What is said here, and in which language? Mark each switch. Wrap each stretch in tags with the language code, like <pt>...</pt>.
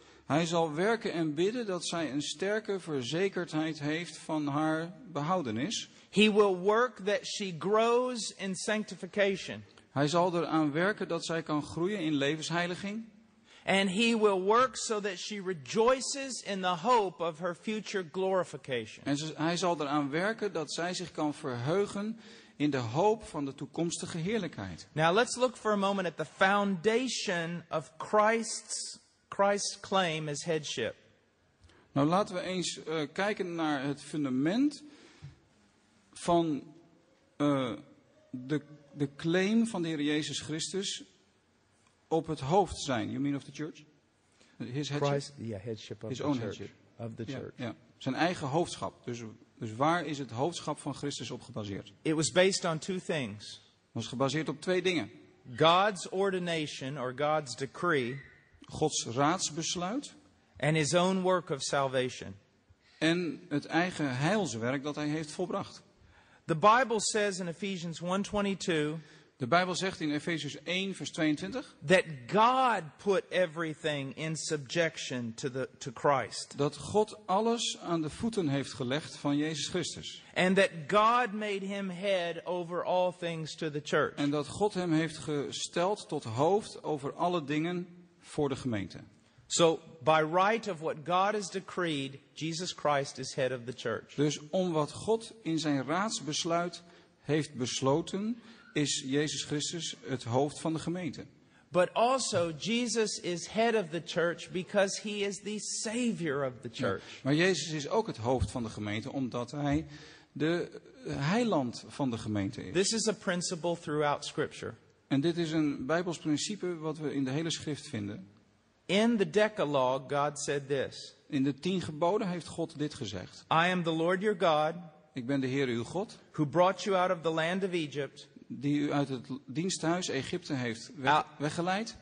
<nl>Hij zal werken en bidden dat zij een sterke verzekerdheid heeft van haar behoudenis.</nl> <en>He will work that she grows in sanctification.</en> <nl>Hij zal eraan werken dat zij kan groeien in levensheiliging.</nl> <en>And he will work so that she rejoices in the hope of her future glorification.</en> <nl>En hij zal eraan werken dat zij zich kan verheugen in de hoop van de toekomstige heerlijkheid.</nl> <en>Now let's look for a moment at the foundation of Christ's claim as headship.</en> <nl>Nou laten we eens kijken naar het fundament van de claim van de Heer Jezus Christus op het hoofd zijn.</nl> <en>You mean of the church? His headship. Christ, yeah, headship of his the own church. Headship. Of the church.</en> <nl>Yeah, yeah. Zijn eigen hoofdschap. Dus waar is het hoofdschap van Christus op gebaseerd?</nl> <en>It was based on two things.</en> <nl>Het was gebaseerd op twee dingen.</nl> <en>God's ordination or God's decree.</en> <nl>Gods raadsbesluit.</nl> <en>And his own work of salvation.</en> <nl>En het eigen heilswerk dat hij heeft volbracht.</nl> <en>The Bible says in Ephesians 1:22.</en> <nl>De Bijbel zegt in Efesius 1 vers 22</nl> <en>that God put everything in subjection to Christ.</en> <nl>Dat God alles aan de voeten heeft gelegd van Jezus Christus.</nl> <en>And that God made him head over all things to the church.</en> <nl>En dat God hem heeft gesteld tot hoofd over alle dingen voor de gemeente.</nl> <en>So by right of what God has decreed, Jesus Christ is head of the church.</en> <nl>Dus om wat God in zijn raadsbesluit heeft besloten is Jezus Christus het hoofd van de gemeente.</nl> <en>But also Jesus is head of the church because he is the savior of the church.</en> <nl>Ja, maar Jezus is ook het hoofd van de gemeente omdat hij de heiland van de gemeente is.</nl> <en>This is a principle throughout scripture.</en> <nl>En dit is een Bijbels principe wat we in de hele schrift vinden.</nl> <en>In the Decalogue God said this.</en> <nl>In de 10 geboden heeft God dit gezegd.</nl> <en>I am the Lord your God.</en> <nl>Ik ben de Heer uw God.</nl> <en>Who brought you out of the land of Egypt.</en> <nl>Die u uit het diensthuis Egypte heeft weggeleid.</nl>